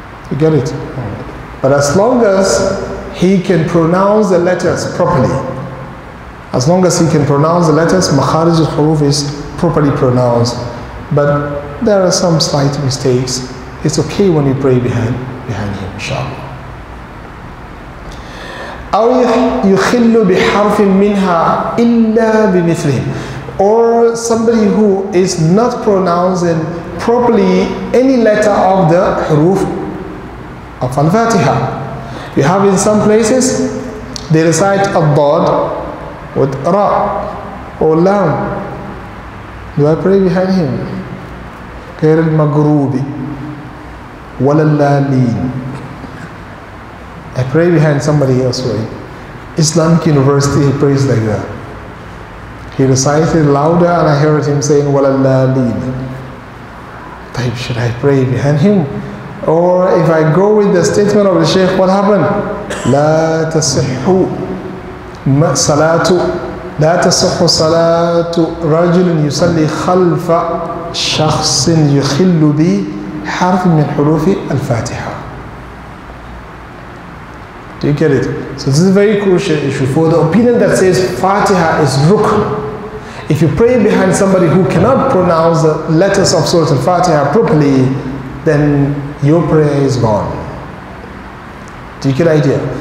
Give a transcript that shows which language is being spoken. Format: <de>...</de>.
<en>You get it? But as long as he can pronounce the letters properly, as long as he can pronounce the letters, makharij al-huruf is properly pronounced. But there are some slight mistakes. It's okay when you pray behind him, inshallah.</en> <ar>أو يخل بحرف منها إلا بمثله.</ar> <en>Or somebody who is not pronouncing properly any letter of the حروف of Al-Fatiha. You have in some places they recite الضاد with را or لام. Do I pray behind him?</en> <ar>غير المغروب ولا اللالين.</ar> <en>I pray behind somebody else, right? Islamic University, he prays like that. He recites it louder and I heard him saying, Walallaleen. Should I pray behind him? Or if I go with the statement of the Shaykh, what happened? La tasihu.</en> <ar>صلاة لا تصح صلاة رجل يصلي خلف شخص يخل بحرف من حروف الفاتحة.</ar> <en>Do you get it? So this is a very crucial issue. For the opinion that says Fatiha is rukn, if you pray behind somebody who cannot pronounce the letters of Surah Al-Fatiha properly, then your prayer is gone. Do you get the idea?</en>